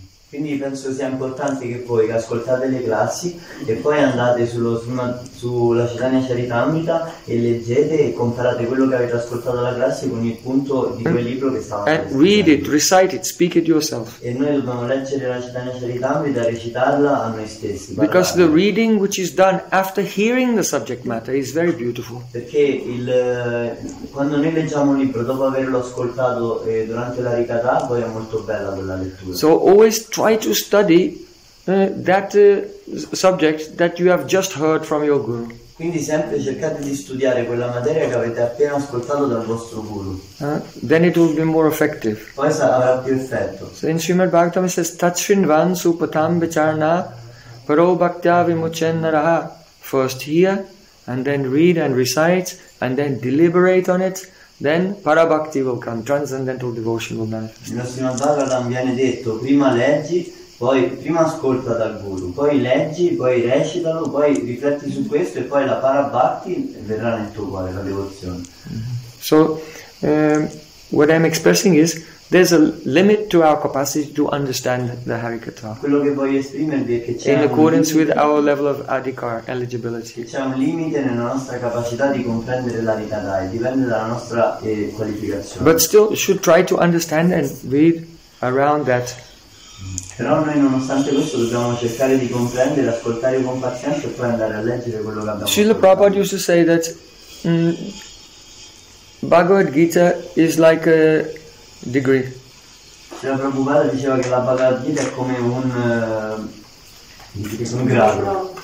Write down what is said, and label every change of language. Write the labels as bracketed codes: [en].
[it] Quindi penso sia importante che voi che ascoltate le classi e poi andate sulla Chaitanya Charitamrita e leggete e comparate quello che avete ascoltato alla classe con il punto di quel libro che stavate [en] and read it, recite it, speak it yourself. [it] E noi dobbiamo leggere la Chaitanya Charitamrita, recitarla a noi stessi. Parlare. [en] Because the reading which is done after hearing the subject matter is very beautiful. [it] Perché quando noi leggiamo un libro dopo averlo ascoltato durante la ricatà, poi è molto bella quella lettura. [en] So always try to study that subject that you have just heard from your guru. [it] Quindi sempre cercate di studiare quella materia che avete appena ascoltato dal vostro guru. [en] Then it will be more effective. [it] Poi avrà più effetto. [en] So in Srimad Bhagavatam it says, [sa] Tachinvan supatam vicharna paro bhaktya vimuchennaraha. [en] First hear, and then read and recite, and then deliberate on it. Then parabhakti will come, transcendental devotion will manifest. [it] Nella Srimad Bhagavatam viene detto, prima leggi, poi prima ascolta dal guru, poi leggi, poi recitalo, poi rifletti su questo e poi la parabhakti verrà nel tuo cuore, la devozione. [en] So, what I'm expressing is, there's a limit to our capacity to understand the Harikatha. [it] Quello che voglio esprimervi è che c'è [en] in accordance with our level of adhikar eligibility. [it] C'è un limite nella nostra capacità di comprendere l'Harikatha e dipende dalla nostra qualificazione. [en] But still should try to understand and read around that. [it] Però noi nonostante questo dobbiamo cercare di comprendere, ascoltare con pazienza e poi andare a leggere quello che abbiamo. [en] Srila Prabhupada used to say that Bhagavad Gita is like a degree. [it] Srila Prabhupada diceva che la Bhagavad Gita è come un grado.